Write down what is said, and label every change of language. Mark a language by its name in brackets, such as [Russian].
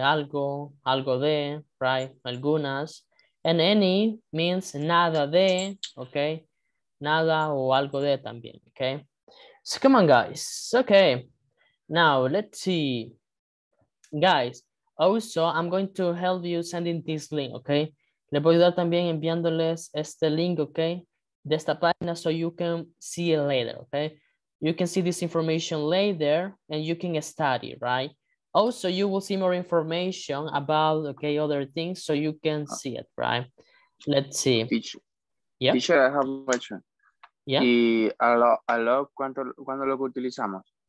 [Spanish] Algo, algo de, right? Algunas. [English] And any means [Spanish] nada de, [English] okay? [Spanish] Nada o algo de también, okay? [English] So come on, guys. Okay, now let's see. Guys. Also, I'm going to help you sending this link, okay? [Spanish] Le voy a ayudar también enviándoles este link, okay? De esta página, [English] so you can see it later, okay? You can see this information later and you can study, right? Also, you will see more information about, okay, other things, so you can see it, right? Let's see. Teacher, yeah? Teacher, I have a question. Yeah. [Spanish] Y a lot, ¿cuándo lo utilizamos?